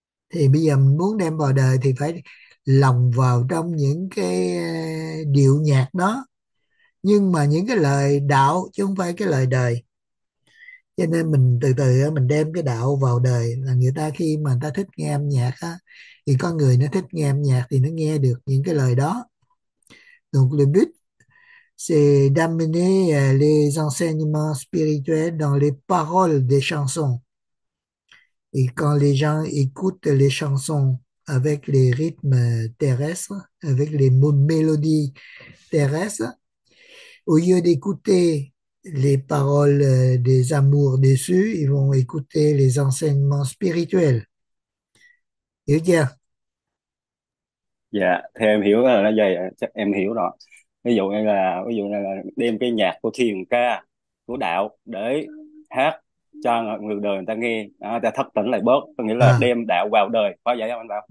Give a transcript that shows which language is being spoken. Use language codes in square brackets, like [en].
[vi] Thì bây giờ mình muốn đem vào đời thì phải lồng vào trong những cái điệu nhạc đó, nhưng mà những cái lời đạo chứ không phải cái lời đời. Cho nên mình từ từ mình đem cái đạo vào đời, là người ta khi mà người ta thích nghe âm nhạc á, thì con người nó thích nghe âm nhạc thì nó nghe được những cái lời đó. [fr] Donc le but c'est d'amener les enseignements spirituels dans les paroles des chansons. Et quand les gens écoutent les chansons avec les rythmes terrestres, avec les mélodies terrestres, au lieu d'écouter les paroles des amours déçus, ils vont écouter les enseignements spirituels. [vi] Hiểu chưa? Dạ, yeah, thì em hiểu là nó vậy, chắc em hiểu rồi. Ví dụ như là đem cái nhạc của thiền ca, của đạo để hát cho người đời người ta nghe, người ta thức tỉnh lại bớt, có nghĩa là đem đạo vào đời, có vậy không anh Bảo?